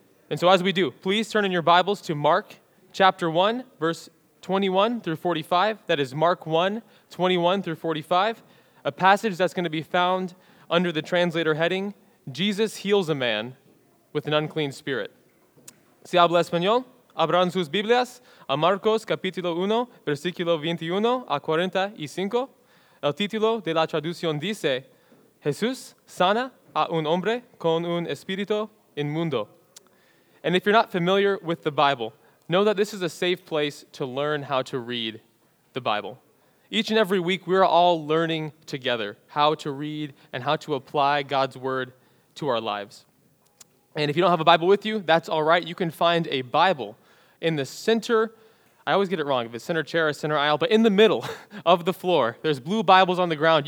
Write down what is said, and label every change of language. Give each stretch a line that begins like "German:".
English: And so as we do, please turn in your Bibles to Mark chapter 1, verse 21 through 45. That is Mark 1, 21 through 45, a passage that's going to be found under the translator heading, Jesus heals a man with an unclean spirit.
Spanish: Si habla español, abran sus Biblias a Marcos capítulo 1, versículo 21 a 45. El título de la traducción dice, Jesús sana a un hombre con un espíritu inmundo.
English: And if you're not familiar with the Bible, know that this is a safe place to learn how to read the Bible. Each and every week, we're all learning together how to read and how to apply God's word to our lives. And if you don't have a Bible with you, that's all right. You can find a Bible in the center, I always get it wrong, if it's center chair or center aisle, but in the middle of the floor, there's blue Bibles on the ground.